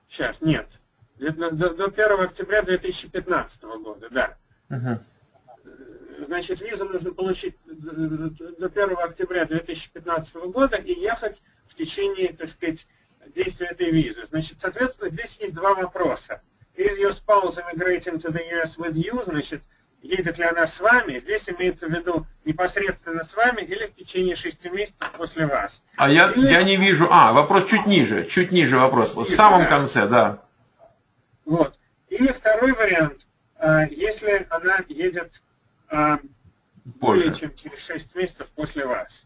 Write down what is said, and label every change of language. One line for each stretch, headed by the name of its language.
Russian: Сейчас, нет. До 1 октября 2015 года, да. Uh-huh. Значит, визу нужно получить до 1 октября 2015 года и ехать в течение, так сказать, действия этой визы. Значит, соответственно, здесь есть два вопроса.
English: Is your spouse immigrating to the US with you?
Russian: Значит, едет ли она с вами? Здесь имеется в виду непосредственно с вами или в течение 6 месяцев после вас. А я не вижу... А, вопрос чуть ниже вопрос. Вот в самом конце, да. Вот. Или второй вариант, если она едет более чем через 6 месяцев после вас.